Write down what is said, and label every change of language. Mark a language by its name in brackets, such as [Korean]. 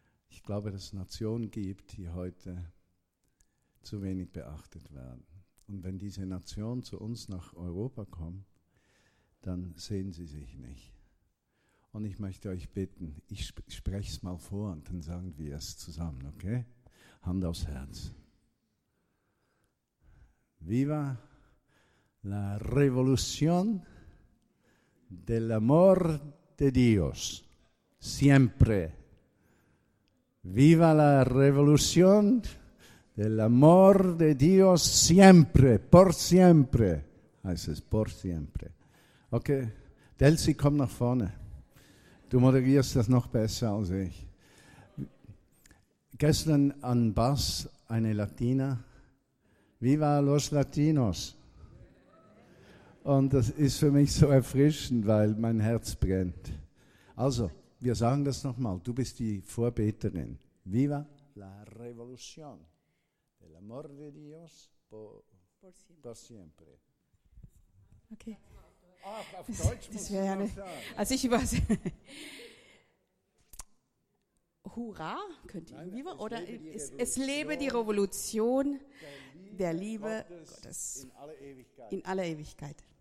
[German] Ich glaube, dass es Nationen gibt, die heute zu wenig beachtet werden. Und wenn diese Nationen zu uns nach Europa kommen, dann sehen sie sich nicht. Und ich möchte euch bitten, ich spreche es mal vor und dann sagen wir es zusammen, okay? Hand aufs Herz. [Spanish] Viva la revolución del amor de Dios. Siempre. Viva la revolución del amor de Dios. Siempre. Por siempre. [German] Heißt es, [Spanish] por siempre. [German] Okay, Delcy, komm nach vorne. Du moderierst das noch besser als ich. Gestern an Bass eine Latina. [Spanish] Viva los Latinos. [German] Und das ist für mich so erfrischend, weil mein Herz brennt. Also, wir sagen das nochmal. Du bist die Vorbeterin. [Spanish] Viva la revolución. El amor de Dios por siempre. Okay. [German] Ach, auf Deutsch muss ich sagen. Also ich übersetze. Hurra, könnt ihr irgendwie, oder es lebe die Revolution der Liebe Gottes in aller Ewigkeit.